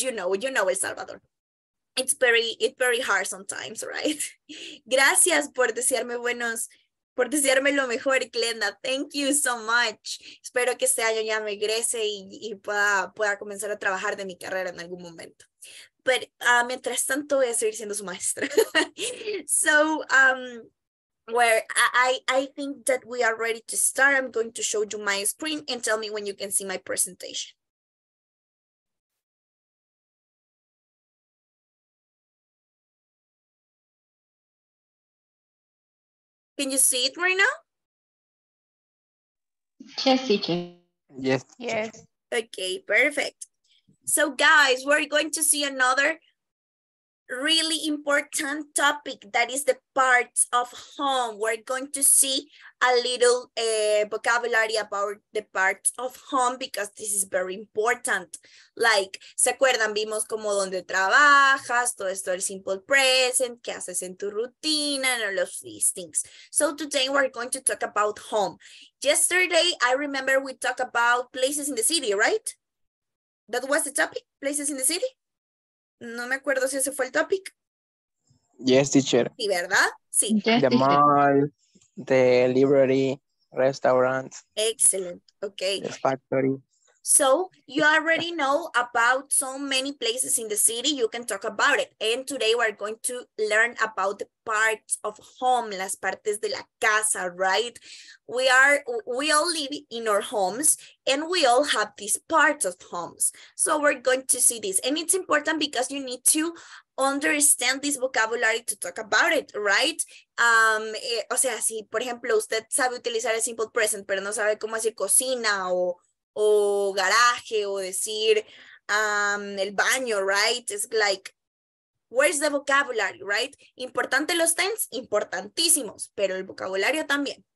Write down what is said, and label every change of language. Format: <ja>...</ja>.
<en>You know El Salvador. It's very hard sometimes, right?</en> <es>Gracias por desearme buenos, por desearme lo mejor, Glenda.</es> <en>Thank you so much.</en> <es>Espero que este año ya me egrese y pueda comenzar a trabajar de mi carrera en algún momento. Pero mientras tanto voy a seguir siendo su maestra.</es> <en>So, where I think that we are ready to start. I'm going to show you my screen and tell me when you can see my presentation. Can you see it right now? Yes, yes. Yes. Okay, perfect. So guys, we're going to see another really important topic, that is the parts of home. We're going to see a little vocabulary about the parts of home because this is very important.</en> <es>Like, ¿se acuerdan? Vimos como donde trabajas, todo esto del simple present, qué haces en tu rutina,</es> <en>and all of these things. So today we're going to talk about home. Yesterday, I remember we talked about places in the city, right? That was the topic, places in the city?</en> <es>No me acuerdo si ese fue el topic.</es> <en>Yes, teacher.</en> <es>Sí, ¿verdad? Sí.</es> <en>Yes, the mall, the library, restaurant. Excellent. Okay. The factory. So you already know about so many places in the city. You can talk about it. And today we're going to learn about the parts of home,</en> <es>las partes de la casa,</es> <en>right? We all live in our homes and we all have these parts of homes. So we're going to see this. And it's important because you need to understand this vocabulary to talk about it, right?</en> <es>O sea, si, por ejemplo, usted sabe utilizar el simple present, pero no sabe cómo decir cocina o garaje, o decir el baño, right?</es> <en>It's like, where's the vocabulary, right?</en> <es>Importante los tenses, importantísimos, pero el vocabulario también.</es>